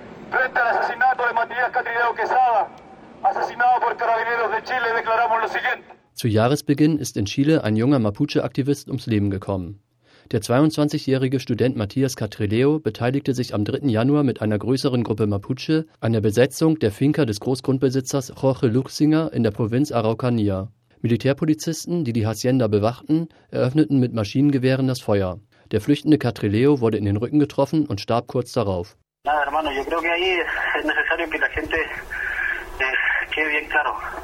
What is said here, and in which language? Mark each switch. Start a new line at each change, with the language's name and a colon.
Spanish: Frente al asesinato de Matías Catrileo Quesada, asesinado por carabineros de Chile, declaramos lo siguiente.
German: Zu Jahresbeginn ist in Chile ein junger Mapuche-Aktivist ums Leben gekommen. Der 22-jährige Student Matías Catrileo beteiligte sich am 3. Januar mit einer größeren Gruppe Mapuche an der Besetzung der Finca des Großgrundbesitzers Jorge Luxinger in der Provinz Araucanía. Militärpolizisten, die Hacienda bewachten, eröffneten mit Maschinengewehren das Feuer. Der flüchtende Catrileo wurde in den Rücken getroffen und starb kurz darauf.
Spanish: Na, hermano, yo creo que ahí es necesario que la gente quede bien claro.